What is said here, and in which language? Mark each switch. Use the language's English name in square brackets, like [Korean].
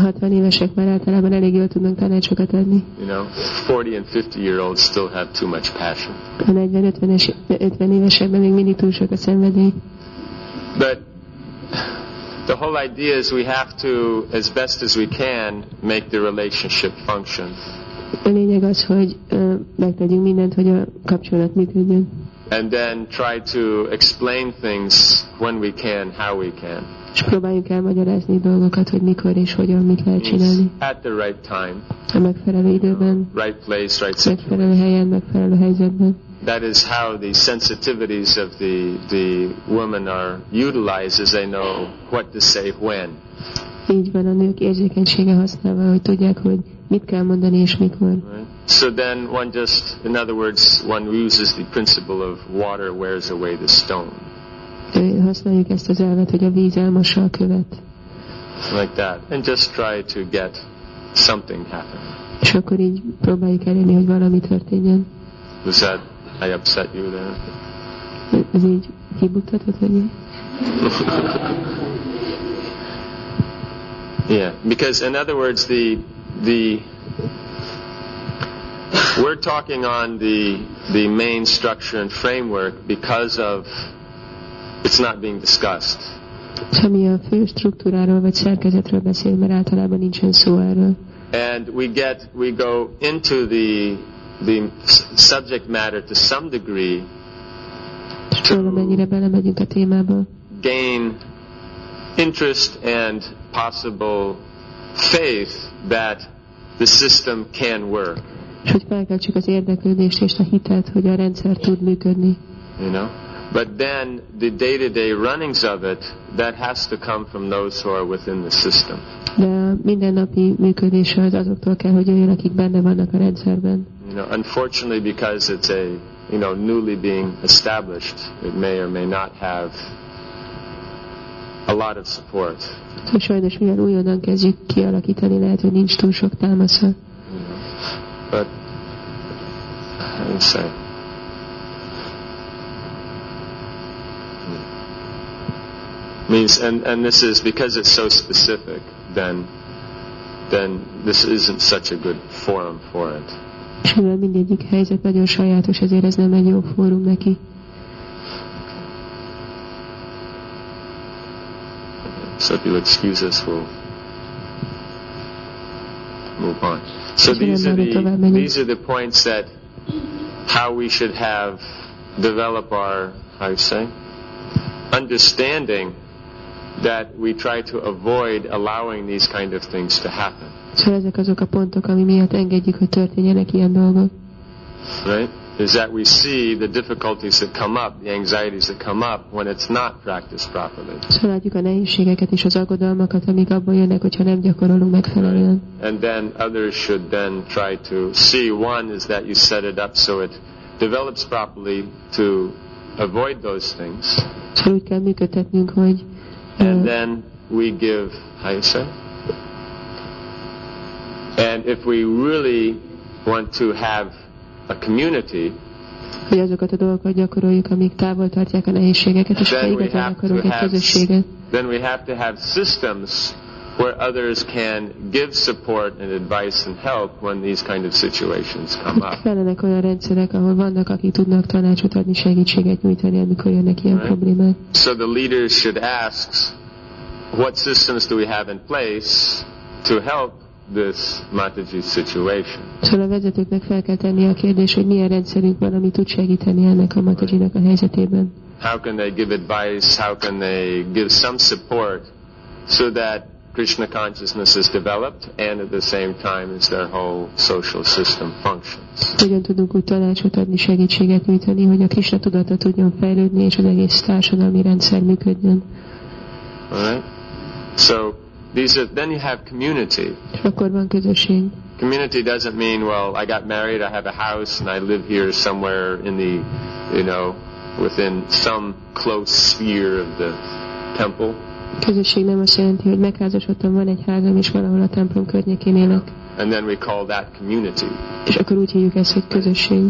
[Hungarian] 60 évesek már általában elég jól tudnak tanácsokat adni. [English] You know, 40 and 50-year-olds still have too much passion. [Hungarian] A 40-50 évesekben még mindig túl sok a szenvedély. [English] But the whole idea is we have to, as best as we can, make the relationship function. [Hungarian] A lényeg az, hogy megtegyünk mindent, hogy a kapcsolat működjön. [English] And then try to explain things when we can, how we can. [Hungarian] És próbáljunk elmagyarázni dolgokat, hogy mikor és hogyan mit lehet csinálni. [English] At the right time. [Hungarian] A megfelelő időben. [English] Right place, right situation. [Hungarian] Megfelelő helyen, megfelelő helyzetben. [English] That is how the sensitivities of the woman are utilized, as they know what to say when. [Hungarian] Így van, a nők érzékenysége használva, hogy tudják, hogy mit kell mondani és mikor. [English] Right. So then one just, in other words, one uses the principle of water wears away the stone. [Hungarian] Használjuk ezt az elvet, hogy a víz elmossa a követ. [English] Like that. And just try to get something happen. [Hungarian] És akkor így próbáljuk elérni, hogy valami történjen. [English] Was that, I upset you there? [Hungarian] Ez így kibuktatott vagy? [English] Yeah, because in other words, the we're talking on the main structure and framework because of it's not being discussed. [Hungarian] Ami a fő struktúráról vagy szerkezetről beszél, mert általában nincsen szó erről. [English] And we go into the subject matter to some degree. [Hungarian] Mennyire belemegyünk a témába. [English] Gain interest and possible faith that the system can work. [Hungarian] Hogy felkeltsük az érdeklődést és a hitet, hogy a rendszer tud működni. [English] You know? But then the day-to-day runnings of it, that has to come from those who are within the system. [Hungarian] De a mindennapi működése az azoktól kell, hogy jöjjön, akik benne vannak a rendszerben. [English] You know, unfortunately, because it's a, you know, newly being established, it may or may not have a lot of support. [Hungarian] Sajnos, mivel újonnan kezdjük kialakítani, lehet, hogy nincs túl sok támasza. [English] But I say, means and this is because it's so specific, then this isn't such a good forum for it. [Hungarian] Mivel mindegyik helyzet nagyon sajátos, ezért ez nem egy jó fórum neki. [English] So if you'll excuse us, we'll move on. So these are the points that how we should have develop our, how you say, understanding that we try to avoid allowing these kind of things to happen. [Hungarian] So ezek azok a pontok, ami miatt engedjük, hogy történjenek ilyen dolgok. [English] Right? Is that we see the difficulties that come up, the anxieties that come up when it's not practiced properly. [Hungarian] So látjuk a nehézségeket és az aggodalmakat, amik abból jönnek, hogyha nem gyakorolunk megfelelően. [English] And then others should then try to see, one is that you set it up so it develops properly to avoid those things. [Hungarian] So úgy kell működtetnünk, hogy [English] and then we give, how you say? And if we really want to have a community, [Hungarian] hogy azokat a dolgokat gyakoroljuk, amik távol tartják a nehézségeket, és kiigazán akarunk egy közösséget. [English] Then we have to have systems where others can give support and advice and help when these kind of situations come up. [Hungarian] Kellenek olyan rendszerek, ahol vannak, akik tudnak tanácsot adni, segítséget nyújtani, amikor jönnek ilyen problémák. [English] So the leaders should ask, what systems do we have in place to help this Mataji situation. [Hungarian] Szóval a vezetőknek fel kell tenni a kérdést, hogy milyen rendszerünk van, ami tud segíteni ennek a Matajinak a helyzetében. [English] How can they give advice? How can they give some support so that Krishna consciousness is developed and at the same time as their whole social system functions. [Hungarian] Hogyan tudunk úgy tanácsot adni, segítséget nyújtani, hogy a Krishna tudata tudjon fejlődni és az egész társadalmi rendszer működjön. [English] Alright. So then you have community. [Hungarian] Akkor van közösség. [English] Community doesn't mean, well, I got married, I have a house, and I live here somewhere in the, you know, within some close sphere of the temple. [Hungarian] Közösség nem azt jelenti, hogy megházasodtam, van egy házam, és valahol a templom környékén élek. [English] And then we call that community. [Hungarian] És akkor úgy hívjuk ezt, hogy közösség.